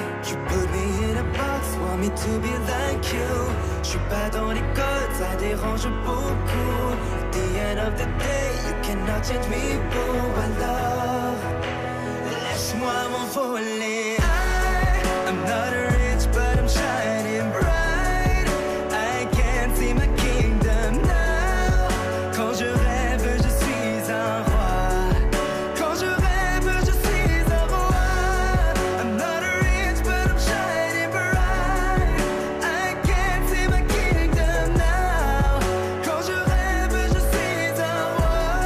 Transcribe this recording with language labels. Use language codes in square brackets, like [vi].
[en] You put me in a box, want me to be like you. [fr] J'suis pas dans les codes, ça dérange beaucoup. [en] End of the day, you cannot change me, boo. [fr] Alors, laisse-moi m'envoler. [en] I'm not rich, but I'm shining bright. I can't see my kingdom now. [fr] Quand je rêve, je suis un roi. Quand je rêve, je suis un roi. [en] I'm not rich, but I'm shining bright. I can't see my kingdom now. [fr] Quand je rêve, je suis un roi.